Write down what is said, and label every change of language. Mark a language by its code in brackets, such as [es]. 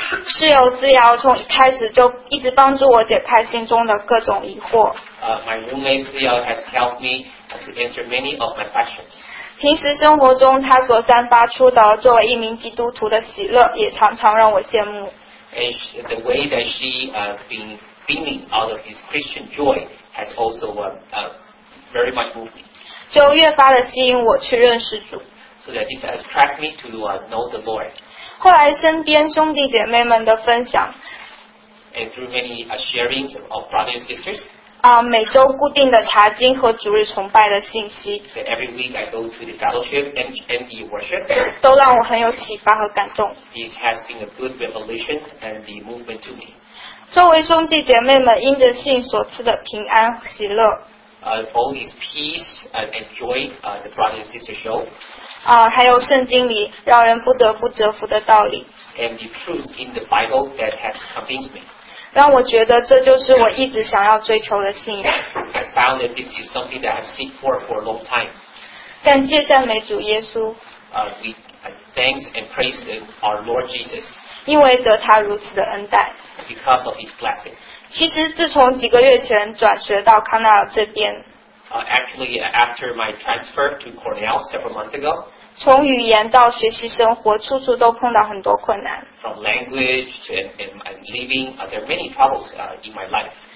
[zh] 室友之遥从一开始就一直帮助我解开心中的各种疑惑。 [en] My roommate [zh] 室友 [en] has helped me to answer many of my questions. [zh] 平时生活中他所散发出的作为一名基督徒的喜乐也常常让我羡慕。 [en] And the way that she been beaming out of this Christian joy has also very much moved me. [zh] 就越发的吸引我去认识主。 [en] So that this has attracted me to know the Lord. [zh] 后来身边兄弟姐妹们的分享 [en] And through many sharings of brothers and sisters. [zh] 每周固定的查经和主日崇拜的信息 [en] That every week I go to the fellowship and the worship. [zh] 都让我很有启发和感动 [en] This has been a good revelation and the movement to me. [zh] 周围兄弟姐妹们因着信所赐的平安喜乐 [en] All this peace and joy the brothers and sisters show. [zh] 还有圣经里让人不得不折服的道理 [en] and the truth in the Bible that has convinced me [zh] 让我觉得这就是我一直想要追求的信仰 [en] I found that this is something that I've seen for a long time [zh] 感谢赞美主耶稣 [en] We thanks and praise our Lord Jesus [zh] 因为得他如此的恩待 [en] because of his blessing [zh] 其实自从几个月前转学到康奈尔这边 [en] Actually, after my transfer to Cornell several months ago, [zh] 从语言到学习生活，处处都碰到很多困难。 [en] From language to and living, there are many troubles in my life.